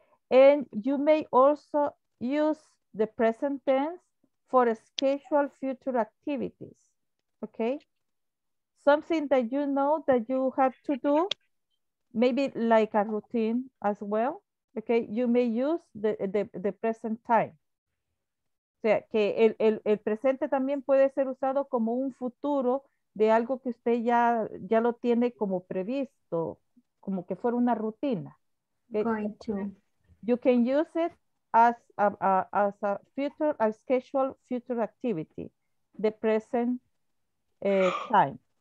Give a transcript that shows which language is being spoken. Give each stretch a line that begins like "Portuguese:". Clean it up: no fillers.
English: And you may also use the present tense for scheduled future activities, okay? Something that you know that you have to do, maybe like a routine as well, okay? You may use the present time.
Spanish: O sea, que el presente también puede ser usado como un futuro de algo que usted ya lo tiene como previsto, como que fuera una rutina.
English: Okay? Going to. You can use it as a future, a scheduled future activity, the present time.